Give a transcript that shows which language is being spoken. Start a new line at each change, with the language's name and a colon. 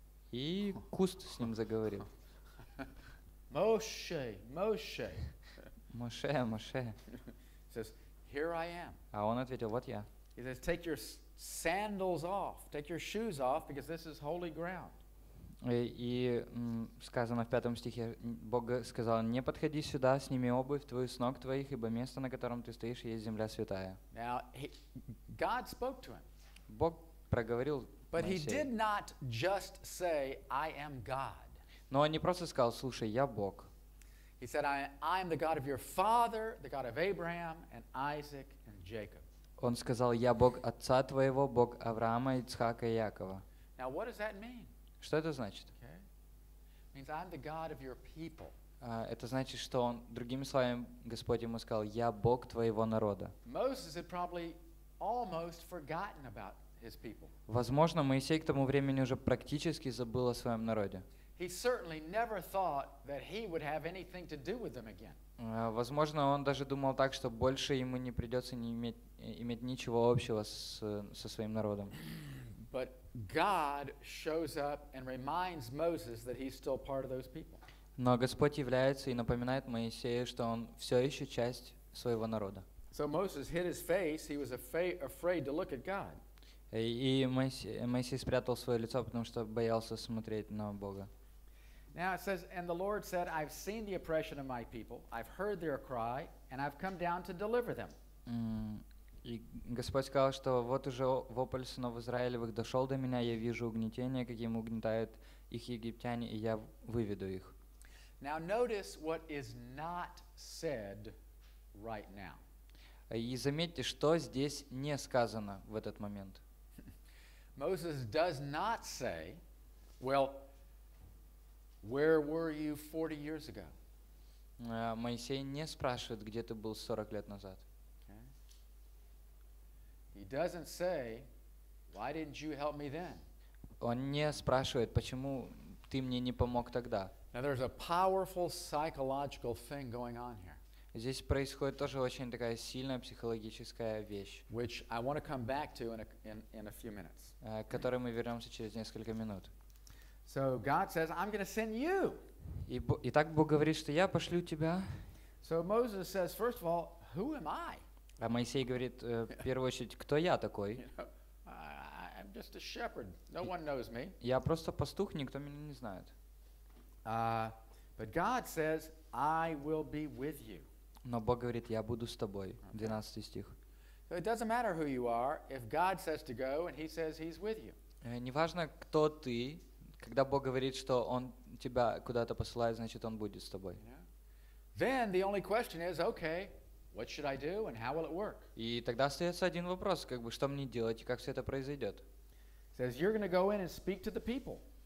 Russian: И куст с ним заговорил. Моше, Моше. Моше, Моше.
English: He says, "Here I am."
Russian: А он ответил, вот я.
English: He says, "Take your sandals off, take your shoes off, because this is holy ground."
Russian: И сказано в пятом стихе, Бог сказал, не подходи сюда, сними обувь твою с ног твоих, ибо место, на котором ты стоишь, есть земля святая.
English: Now, God spoke to him.
Russian: Бог проговорил Моисею.
English: But he did not just say, I am God.
Russian: Но он не просто сказал, слушай, я Бог.
English: He said, I am the God of your father, the God of Abraham and Isaac and Jacob.
Russian: Он сказал, я Бог отца твоего, Бог Авраама, Ицхака и Якова.
English: Now, what does that mean?
Russian: Что это значит?
English: Okay. Means I'm the God of your people.
Russian: Это значит, что он, другими словами, Господь ему сказал, я Бог твоего народа.
English: Moses had probably almost forgotten about his people.
Russian: Возможно, Моисей к тому времени уже практически забыл о своем народе.
English: He certainly never thought that he would have anything to do with them again.
Russian: Возможно, он даже думал так, что больше ему не придется иметь ничего общего со своим народом.
English: But God shows up and reminds Moses that he's still part of those people.
Russian: Но Господь является и напоминает Моисею, что он все еще часть своего народа.
English: So Moses hid his face. He was afraid to look at God.
Russian: И Моисей спрятал свое лицо, потому что боялся смотреть на Бога.
English: Now it says, and the Lord said, I've seen the oppression of my people. I've heard their cry, and I've come down to deliver them.
Russian: И Господь сказал, что вот уже вопль сынов Израилевых дошел до меня, я вижу угнетение, каким угнетают их египтяне, и я выведу их.
English: Now notice what is not said right now.
Russian: И заметьте, что здесь не сказано в этот момент.
English: Moses does not say, well, where were you 40 years ago?
Russian: Моисей не спрашивает, где ты был 40 лет назад.
English: He doesn't say, why didn't you help me then?
Russian: Он не спрашивает, почему ты мне не помог тогда.
English: Now there's a powerful psychological thing going on here.
Russian: Здесь происходит тоже очень такая сильная психологическая вещь.
English: Which I want to come back to in a few minutes.
Russian: К которой мы вернемся через несколько минут.
English: So God says, I'm going to send you.
Russian: И так Бог говорит, что я пошлю тебя.
English: So Moses says, first of all, who am I?
Russian: А Моисей говорит, в первую очередь, кто я такой?
English: I'm just a shepherd. No one knows me.
Russian: Я просто пастух, никто меня не знает.
English: But God says, I will be with you.
Russian: Но Бог говорит, я буду с тобой. 12 стих.
English: So it doesn't matter who you are, if God says to go, and he says he's with you.
Russian: Неважно, кто ты, когда Бог говорит, что он тебя куда-то посылает, значит, он будет с тобой.
English: Then the only question is, okay, what should I do and how will it work?
Russian: И тогда остается один вопрос, как бы, что мне делать и как все это произойдет?
English: Says you're going to go in and speak to the people.